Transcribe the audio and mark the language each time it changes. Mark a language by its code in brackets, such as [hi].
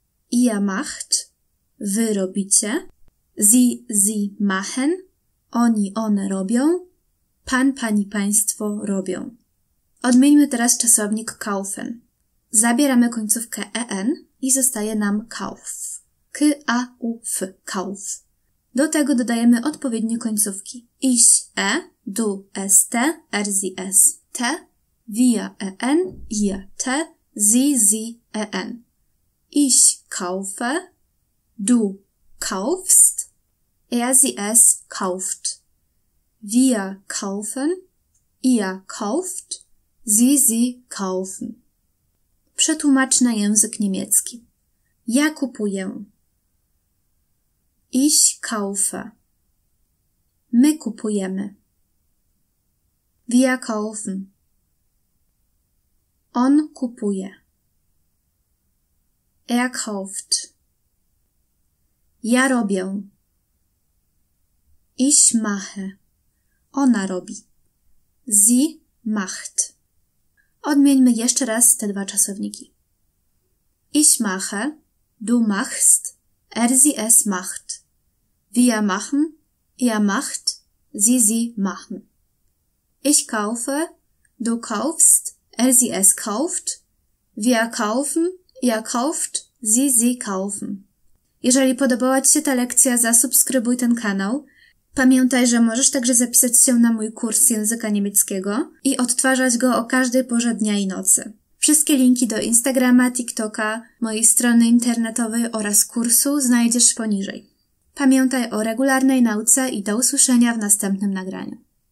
[de] Ihr macht, [pl] wy robicie. [de] Sie machen, [pl] oni, one robią. Pan, pani, państwo robią. Odmieńmy teraz czasownik kaufen. Zabieramy końcówkę en i zostaje nam kauf. K-A-U-F, kauf. Do tego dodajemy odpowiednie końcówki. [de] Ich, e, du, es, te, er, sie, es, te, wir, en, ihr, te, sie, en. Ich kaufe, du kaufst, er, sie, es, kauft. Wir kaufen, ihr kauft, sie kaufen. [pl] Przetłumacz na język niemiecki. Ja kupuję. [de] Ich kaufe. [pl] My kupujemy. [de] Wir kaufen. [pl] On kupuje. [de] Er kauft. [pl] Ja robię. [de] Ich mache. [pl] Ona robi. [de] Sie macht. [pl] Odmieńmy jeszcze raz te dwa czasowniki. [de] Ich mache. Du machst. Er, sie, es macht. Wir machen, ihr macht, sie machen. Ich kaufe, du kaufst, er, sie, es kauft. Wir kaufen, ihr kauft, sie kaufen. [pl] Jeżeli podobała Ci się ta lekcja, zasubskrybuj ten kanał. Pamiętaj, że możesz także zapisać się na mój kurs języka niemieckiego i odtwarzać go o każdej porze dnia i nocy. Wszystkie linki do Instagrama, TikToka, mojej strony internetowej oraz kursu znajdziesz poniżej. Pamiętaj o regularnej nauce i do usłyszenia w następnym nagraniu.